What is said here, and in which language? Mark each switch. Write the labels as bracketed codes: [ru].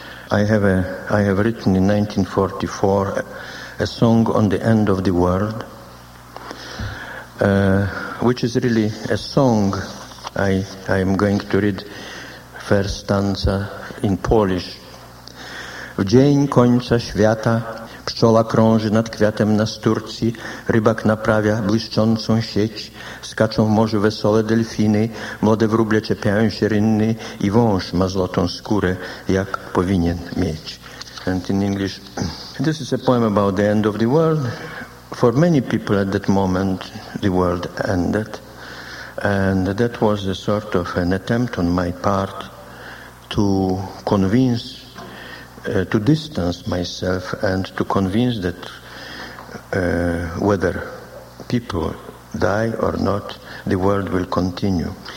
[en] I have written in 1944 a song on the end of the world, which is really a song. I am going to read first stanza in Polish. [pl] W dzień końca świata pszczoła krąży nad kwiatem nasturcji, rybak naprawia błyszczącą sieć, skaczą w morzu wesołe delfiny, młode wróble czepiają się rynny i wąż ma złotą skórę, jak powinien mieć. [en] And in English, this is a poem about the end of the world. For many people at that moment, the world ended. And that was a sort of an attempt on my part to convince, to distance myself and to convince that whether people die or not, the world will continue.